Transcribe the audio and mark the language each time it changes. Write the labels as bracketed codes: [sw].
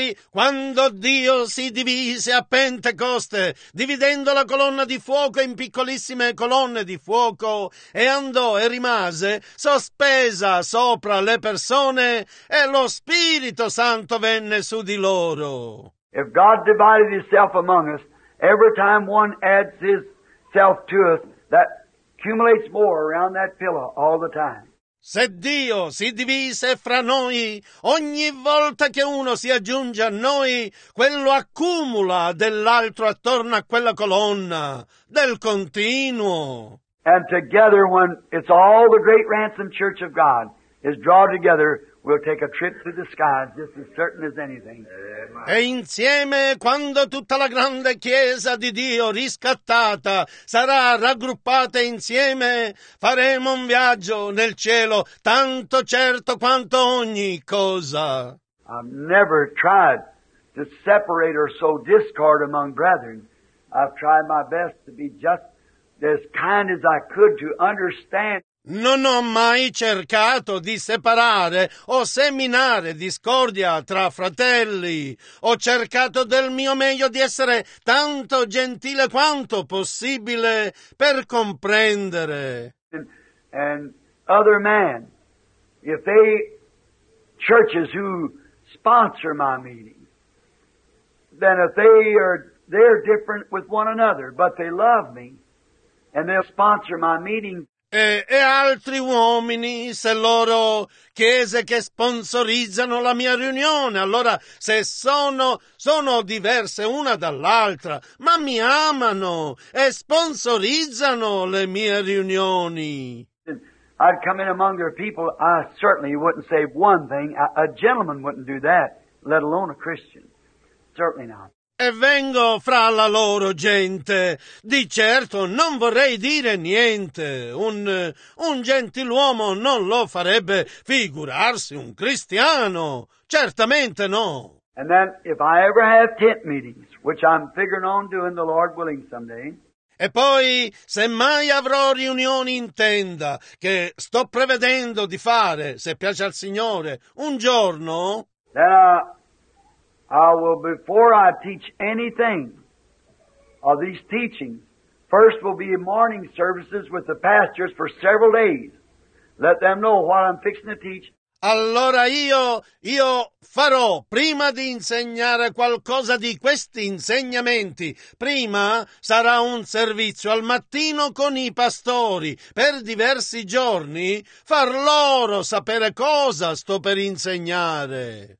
[it] Quando Dio si divise a Pentecoste, dividendo la colonna di fuoco in piccolissime colonne di fuoco, e andò e rimase sospesa sopra le persone, e lo Spirito Santo venne su di loro. [en] If God divided himself among us, every time one adds his self to us, that accumulates more around that pillar all the time. [it] Se Dio si divise fra noi, ogni volta che uno si aggiunge a noi, quello accumula dell'altro attorno a quella colonna, del continuo. [en] And together, when it's all the great ransom church of God is drawn together, we'll take a trip through the skies just as certain as anything. [it] E insieme, quando tutta la grande chiesa di Dio riscattata sarà raggruppata insieme, faremo un viaggio nel cielo tanto certo quanto ogni cosa. [en] I've never tried to separate or sow discord among brethren. I've tried my best to be just as kind as I could to understand. [it] Non ho mai cercato di separare o seminare discordia tra fratelli. Ho cercato del mio meglio di essere tanto gentile quanto possibile per comprendere. [en] And other men, if they churches who sponsor my meeting, then if they're different with one another, but they love me and they'll sponsor my meeting. [it] E altri uomini, se loro chiese che sponsorizzano la mia riunione, allora se sono diverse una dall'altra, ma mi amano e sponsorizzano le mie riunioni. [en] I'd come in among their people, I certainly wouldn't say one thing. A gentleman wouldn't do that, let alone a Christian. Certainly not. [it] E vengo fra la loro gente, di certo non vorrei dire niente, un gentiluomo non lo farebbe figurarsi un cristiano, certamente no. [en] And then if I ever have tent meetings, which I'm figuring on doing the Lord willing someday. [it] E poi, se mai avrò riunioni in tenda, che sto prevedendo di fare, se piace al Signore, un giorno. [en] I will, before I teach anything of these teachings, first will be morning services with the pastors for several days. Let them know what I'm fixing to teach. [it] Allora io farò, prima di insegnare qualcosa di questi insegnamenti, prima sarà un servizio al mattino con i pastori per diversi giorni, far loro sapere cosa sto per insegnare.